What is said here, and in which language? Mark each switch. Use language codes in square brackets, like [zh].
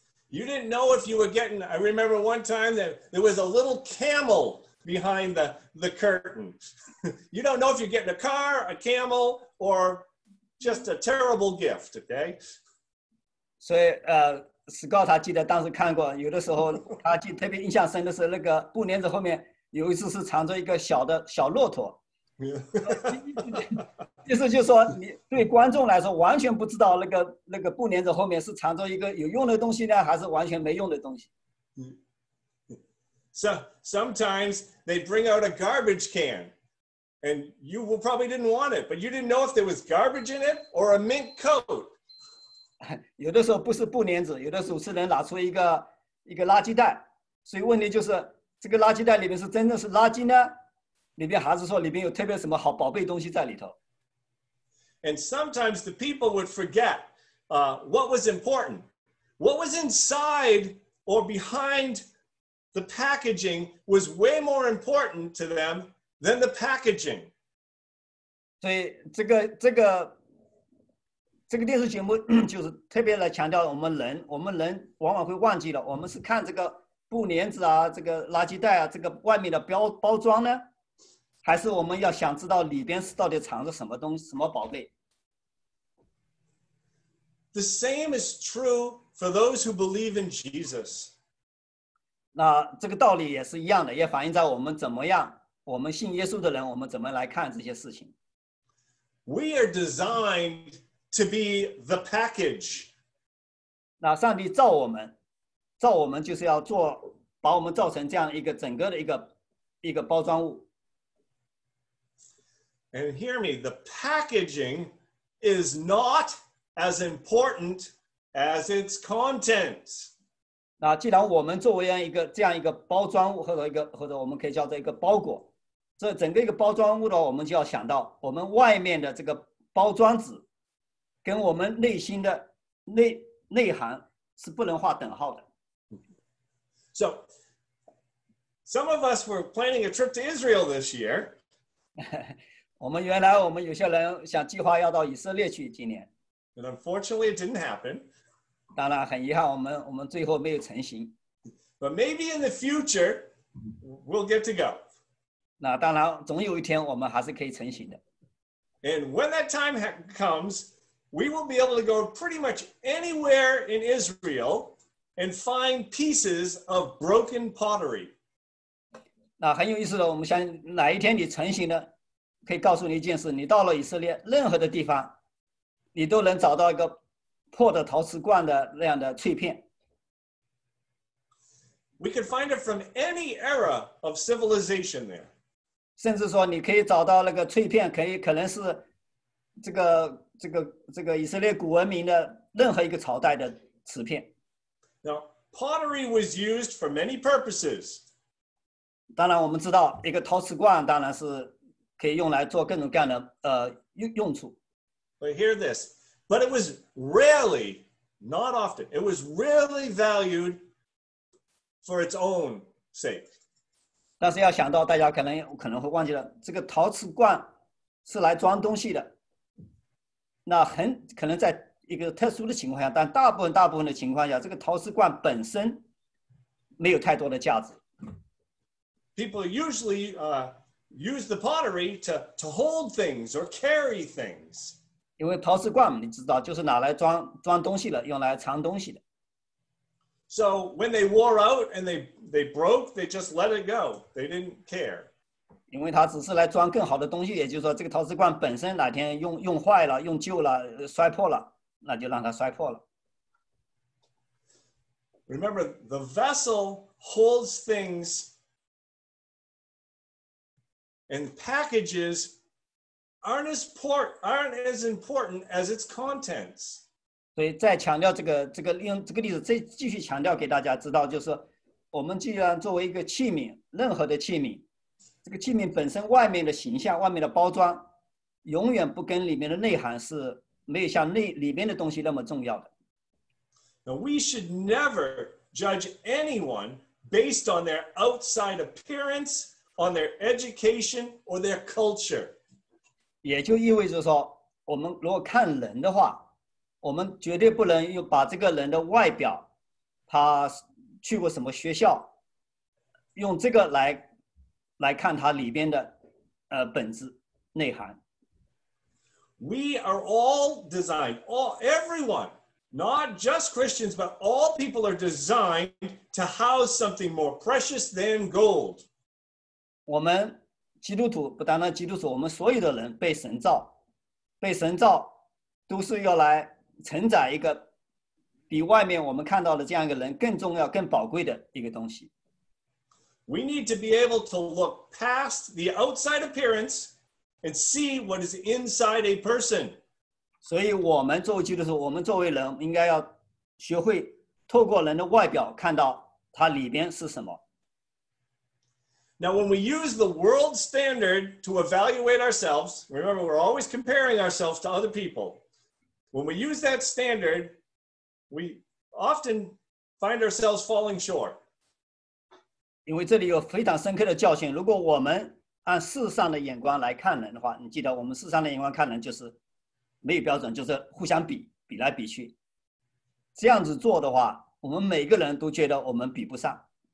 [en] You didn't know if you were getting. I remember one time that there was a little camel. Behind the curtain. You don't know if you're getting a car, a camel, or just a terrible gift, okay? [zh] So, Scott, 他记得当时看过，有的时候他记特别印象深的是那个布帘子后面有一次是藏着一个小的小骆驼。意思就是说，你对观众来说完全不知道那个布帘子后面是藏着一个有用的东西呢，还是完全没用的东西。 [en] So sometimes they bring out a garbage can And you probably didn't want it, but you didn't know if there was garbage in it or a mint coat. [zh] 有的时候不是布帘子，有的时候是能拿出一个垃圾袋。所以问题就是，这个垃圾袋里面是真的是垃圾呢？里面还是说里面有特别什么好宝贝东西在里头？ [en] And sometimes the people would forget, what was important. What was inside or behind the packaging was way more important to them than the packaging. [zh] 所以这个电视节目就是特别来强调我们人往往会忘记了，我们是看这个布帘子啊，这个垃圾袋啊，这个外面的包装呢，还是我们要想知道里边是到底藏着什么东西，什么宝贝？ [en] The same is true for those who believe in Jesus. [zh] 那这个道理也是一样的，也反映在我们怎么样，我们信耶稣的人，我们怎么来看这些事情？ [en] We are designed. To be the package. [zh] 那上帝造我们就是要做，把我们造成这样一个整个的一个包装物。 [en] And hear me, the packaging is not as important as its contents. [zh] 那既然我们作为这样一个包装物或者我们可以叫做一个包裹，这整个一个包装物的话，我们就要想到我们外面的这个包装纸。跟我们内心的内涵是不能画等号的。 [en] So, some of us were planning a trip to Israel this year. [zh] 我们有些人想计划要到以色列去今年。 [en] But unfortunately, it didn't happen. [zh] 当然很遗憾，我们最后没有成行。 [en] But maybe in the future, we'll get to go. [zh] 那当然，总有一天我们还是可以成行的。 [en] And when that time comes,We will be able to go pretty much anywhere in Israel and find pieces of broken pottery. [zh] 那很有意思的，我们想哪一天你成行了，可以告诉你一件事：你到了以色列任何的地方，你都能找到一个破的陶瓷罐的那样的碎片。 [en] We can find it from any era of civilization there. [zh] 甚至说，你可以找到那个碎片，可能是这个。这个以色列古文明的任何一个朝代的瓷片。 [en] Now, pottery was used for many purposes. [zh] 当然我们知道一个陶瓷罐当然是可以用来做各种各样的用处。 [en] But hear this. But it was rarely, not often, it was rarely valued for its own sake. [zh] 但是要想到大家可能会忘记了，这个陶瓷罐是来装东西的。那很可能在一个特殊的情况下，但大部分的情况下，这个陶瓷罐本身没有太多的价值。 [en] People usually use the pottery to hold things or carry things. [zh] 因为陶瓷罐，你知道，就是拿来装东西的，用来藏东西的。 [en] So when they wore out and they broke, they just let it go. They didn't care. [zh] 因为它只是来装更好的东西，也就是说，这个陶瓷罐本身哪天用坏了、用旧了、摔破了，那就让它摔破了。 [en] Remember, the vessel holds things, and packages aren't as important as its contents. [zh] 所以再强调这个用这个例子，再继续强调给大家知道，就是我们既然作为一个器皿，任何的器皿。这个器皿本身外面的形象、外面的包装，永远不跟里面的内涵是没有像里面的东西那么重要的。 [en] Now we should never judge anyone based on their outside appearance, on their education, or their culture. [zh] 也就意味着说，我们如果看人的话，我们绝对不能又把这个人的外表，他去过什么学校，用这个来看它里边的本质内涵。 [en] We are all designed, everyone, not just Christians, but all people are designed to house something more precious than gold. [zh] 我们基督徒不单单基督徒，我们所有的人被神造都是要来承载一个比外面我们看到的这样一个人更重要更宝贵的一个东西。 [en] We need to be able to look past the outside appearance and see what is inside a person. [zh] 所以我们做基督徒，我们作为人，应该要学会透过人的外表看到他里边是什么。 [en] Now, when we use the world standard to evaluate ourselves, remember, we're always comparing ourselves to other people. When we use that standard, we often find ourselves falling short. [zh] 因为这里有非常深刻的教训，如果我们按世上的眼光来看人的话，你记得我们世上的眼光看人就是没有标准，就是互相比，比来比去。这样子做的话，我们每个人都觉得我们比不上。